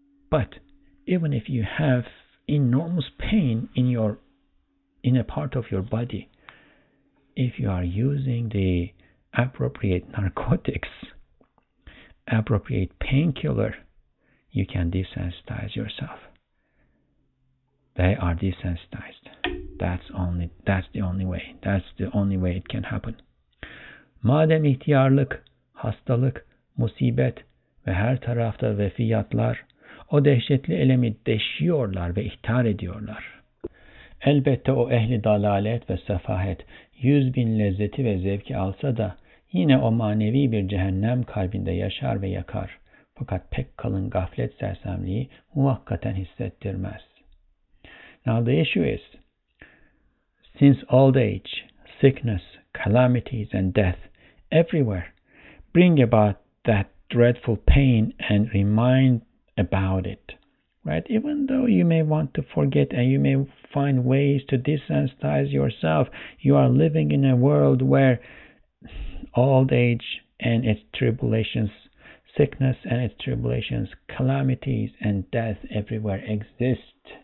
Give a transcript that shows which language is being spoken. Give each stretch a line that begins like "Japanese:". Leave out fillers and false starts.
English: But even if you have enormous pain in a part of your body, if you are using the appropriate narcotics, appropriate painkiller, you can desensitize yourself. They are desensitized. That's the only way. That's the only way it can happen.
Turkish: Madem ihtiyarlık, hastalık, musibet ve her tarafta vefiyatlar o dehşetli elemi deşiyorlar ve ihtar ediyorlar. Elbette o ehli dalalet ve sefahet 100.000 lezzeti ve zevki alsa da yine o manevi bir cehennem kalbinde yaşar ve yakar. Fakat pek kalın gaflet sersemliği muhakkaten hissettirmez.
English: Now the issue is, since old age, sickness, calamities and death everywhere bring about that dreadful pain and remind about it, right? Even though you may want to forget and you may find ways to desensitize yourself, you are living in a world where old age and its tribulations, sickness and its tribulations, calamities and death everywhere exist.